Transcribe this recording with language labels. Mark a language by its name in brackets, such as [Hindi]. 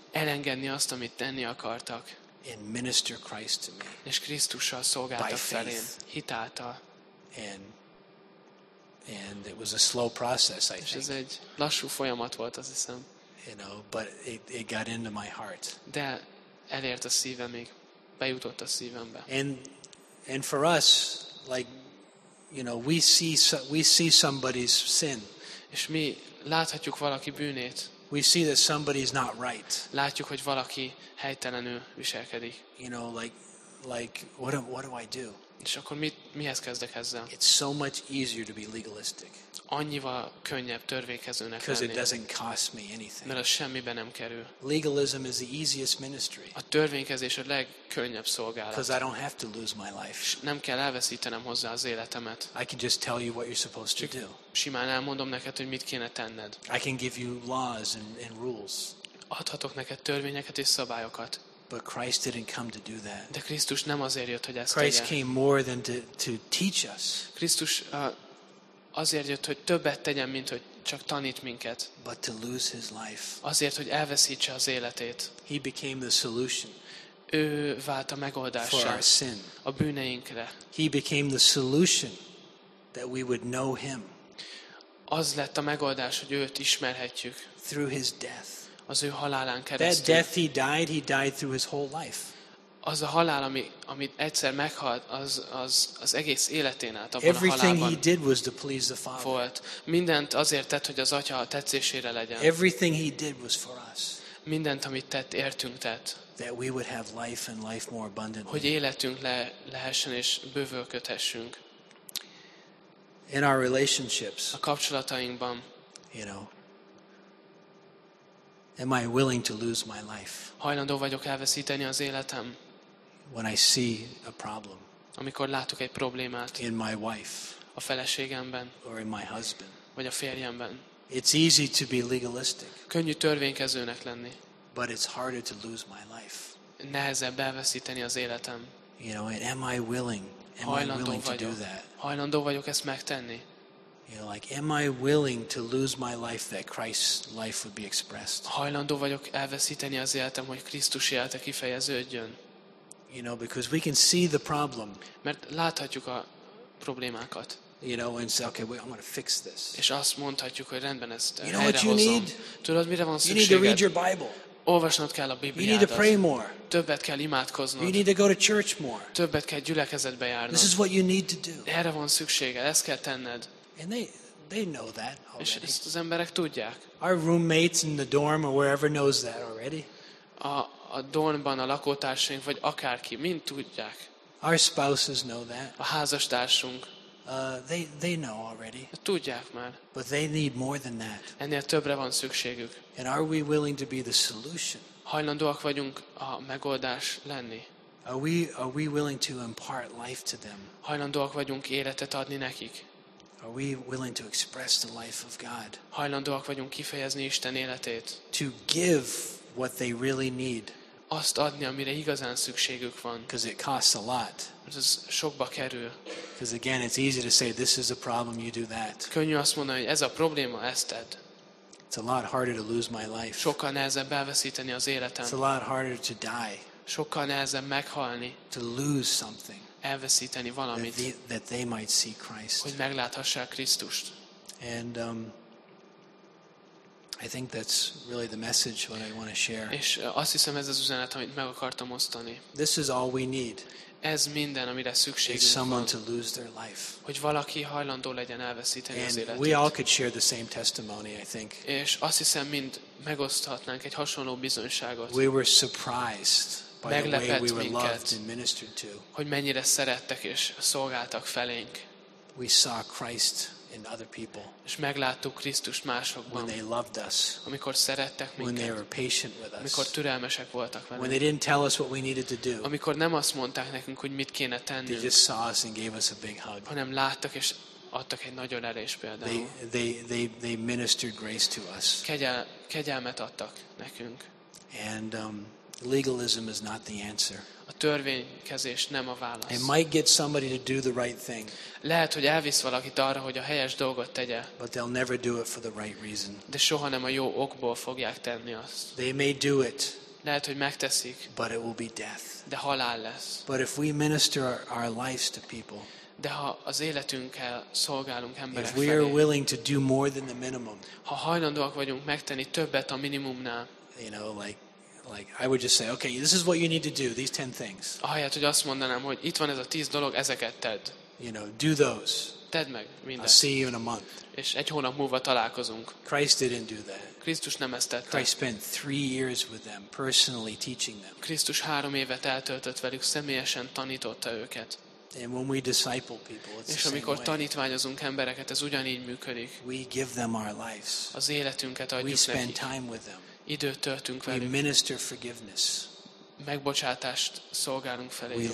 [Hungarian] Elengedni azt, amit tenni akartak. [English] And minister Christ to me. [Hungarian] És Krisztussal szolgáltak felén, hitáltal. [English] And it was a slow process, I think. [Hungarian] Ez egy lassú folyamat volt, azt hiszem. [English] You know, but it got into my heart. [Hungarian] De elért a szívemig, bejutott a szívembe. [English] And for us, like, you know, we see somebody's sin. [Hungarian] És mi láthatjuk valaki bűnét. [English] We see that somebody is not right. [Hungarian] Látjuk, hogy valaki helytelenül viselkedik. [English] You know, like what do I do? [Hungarian] És akkor mihez kezdek ezzel? [English] It's so much easier to be legalistic. [Hungarian] Annyival könnyebb törvénykezőnek lenni. [English] Because it doesn't cost me anything. [Hungarian] Mert az semmibe nem kerül. [English] Legalism is the easiest ministry. [Hungarian] A törvénykezés a legkönnyebb szolgálat. [English] Because I don't have to lose my life. [Hungarian] Nem kell elveszítenem hozzá az életemet. [English] I can just tell you what you're supposed to do. [Hungarian] Simán elmondom neked, hogy mit kéne tenned. [English] I can give you laws and rules. [Hungarian] Adhatok neked törvényeket és szabályokat. [English] But Christ didn't come to do that. [Hungarian] De Krisztus nem azért jött, hogy ezt [English] Christ [Hungarian] tegye. [English] Came more than to teach us. [Hungarian] Krisztus azért jött, hogy többet tegyen, mint hogy csak tanít minket. [English] But to lose his life. [Hungarian] Azért, hogy elveszítse az életét. [English] He became the solution. [Hungarian] Ő vált a megoldással. [English] For our sin. [Hungarian] A bűneinkre. [English] He became the solution that we would know him. [Hungarian] Az lett a megoldás, hogy őt ismerhetjük. [English] Through his death. [Hungarian] Az ő halálán keresztül. [English] That death he died through his whole life. [Hungarian] az a halál, amit egyszer meghalt, az egész életén át abban [English] everything [Hungarian] a halálban [English] he did was to please the Father. [Hungarian] Volt. Mindent azért tett, hogy az Atya tetszésére legyen. [English] Everything he did was for us. [Hungarian] Mindent, amit tett, értünk tett. [English] That we would have life and life more abundantly. [Hungarian] Hogy életünk lehessen és bővölködhessünk. [English] In our relationships. [Hungarian] A kapcsolatainkban. [English] You know, am I willing to lose my life? [Hungarian] Hajlandó vagyok elveszíteni az életem. [English] When I see a problem. [Hungarian] Amikor látok egy problémát. [English] In my wife. [Hungarian] A feleségemben. [English] Or in my husband. [Hungarian] Vagy a férjemben. [English] It's easy to be legalistic. [Hungarian] Könnyű törvénykezőnek lenni. [English] But it's harder to lose my life. [Hungarian] Nehezebb elveszíteni az életem. [English] You know, and am I willing? Am [Hungarian] hajlandó [English] I willing [Hungarian] vagyok [English] to do that? [Hungarian] Hajlandó vagyok ezt megtenni. [English] You know, like, am I willing to lose my life that Christ's life would be expressed? [Hungarian] Hajlandó vagyok elveszíteni az életem, hogy Krisztus élete kifejeződjön. [English] You know, because we can see the problem. [Hungarian] Mert láthatjuk a problémákat. [English] You know, and say, okay, wait, I'm going to fix this. [Hungarian] És azt mondhatjuk, hogy rendben ezt. [English] You know what you need? [Hungarian] Tudod, mire van szükséged? [English] You need to read your Bible. [Hungarian] Olvasnod kell a Bibliádat. [English] You need to pray more. [Hungarian] Többet kell imádkoznod. [English] You need to go to church more. [Hungarian] Többet kell gyülekezetbe járnod. [English] This is what you need to do. [Hungarian] Erre van szükséged, ezt kell tenned. [English] And they know that already. [Hungarian] És ezt az emberek tudják. [English] Our roommates in the dorm or wherever knows that already. [Hungarian] A dormban a lakótársaink vagy akárki, mind tudják. [English] Our spouses know that. [Hungarian] A házastársunk. [English] They know already. [Hungarian] Tudják már. [English] But they need more than that. [Hungarian] Ennél többre van szükségük. [English] And are we willing to be the solution? [Hungarian] Hajlandóak vagyunk a megoldás lenni. [English] Are we willing to impart life to them? [Hungarian] Hajlandóak vagyunk életet adni nekik. [English] Are we willing to express the life of God? [Hungarian] Hajlandóak vagyunk kifejezni Isten életét. [English] To give what they really need. [Hungarian] Azt adni, amire igazán szükségük van. [English] Because it costs a lot. [Hungarian] Ez sokba kerül. [English] Because again, it's easy to say this is a problem, you do that. [Hungarian] Könnyű azt mondani, hogy ez a probléma, ezt tedd. [English] It's a lot harder to lose my life. [Hungarian] Sokkal nehezebb elveszíteni az életem. [English] It's a lot harder to die. [Hungarian] Sokkal nehezebb meghalni. [English] To lose something. [Hungarian] Elveszíteni valamit. [English] That they might see Christ. [Hungarian] Hogy megláthassák Krisztust. [English] And I think that's really the message what I want to share. [Hungarian] És azt hiszem, ez az üzenet, amit meg akartam osztani. [English] This is all we need. [Hungarian] Ez minden, amire szükségünk van, hogy valaki hajlandó legyen elveszíteni [English] and [Hungarian] az életét. [English] We all could share the same testimony, I think. [Hungarian] És azt hiszem, mind megoszthatnánk egy hasonló bizonyságot. [English] We were surprised by [Hungarian] meglepett [English] the way we were [Hungarian] minket, [English] loved and ministered to. [Hungarian] Hogy mennyire szerettek és szolgáltak felénk. [English] We saw Christ in other people. [Hungarian] És megláttuk Krisztust másokban. [English] When they loved us. [Hungarian] Amikor szerettek minket. [English] When they were patient with us. [Hungarian] Amikor türelmesek voltak velünk. [English] When they didn't tell us what we needed to do. [Hungarian] Amikor nem azt mondták nekünk, hogy mit kéne tennünk. [English] They just saw us and gave us a big hug. [Hungarian] Hanem láttak és adtak egy nagyon erős példát. [English] They ministered grace to us. [Hungarian] Kegyelmet adtak nekünk. [English] And legalism is not the answer. [Hungarian] A törvénykezés nem a válasz. [English] It might get somebody to do the right thing. [Hungarian] Lehet, hogy elvisz valakit arra, hogy a helyes dolgot tegye. [English] But they'll never do it for the right reason. [Hungarian] De soha nem a jó okból fogják tenni azt. [English] They may do it. [Hungarian] Lehet, hogy megteszik. [English] But it will be death. [Hungarian] De halál lesz. [English] But if we minister our lives to people. [Hungarian] De ha az életünkkel szolgálunk emberek felé. [English] If we are willing to do more than the minimum. [Hungarian] Ha hajlandóak vagyunk megtenni többet a minimumnál. [English] You know, like I would just say, okay, this is what you need to do, these 10 things. [Hungarian] Ahelyett, hogy azt mondanám, hogy itt van ez a 10 dolog, ezeket tedd. [English] You know, do those. [Hungarian] Tedd meg mindent. [English] I'll see you in a month. [Hungarian] És egy hónap múlva találkozunk. [English] Christ didn't do that. [Hungarian] Krisztus nem ezt tette. [English] Christ spent 3 years with them, personally teaching them. [Hungarian] Krisztus 3 évet eltöltött velük, személyesen tanította őket. [English] And when we disciple people, it's [Hungarian] és [English] the [Hungarian] amikor [English] same [Hungarian] tanítványozunk [English] way. [Hungarian] Embereket, ez ugyanígy működik. [English] We give them our lives. [Hungarian] Az életünket adjuk nekik. [English] We spend [Hungarian] nekik. [English] Time with them. [Hungarian] Időt töltünk velük. [English] We minister forgiveness. [Hungarian] Megbocsátást szolgálunk feléjük.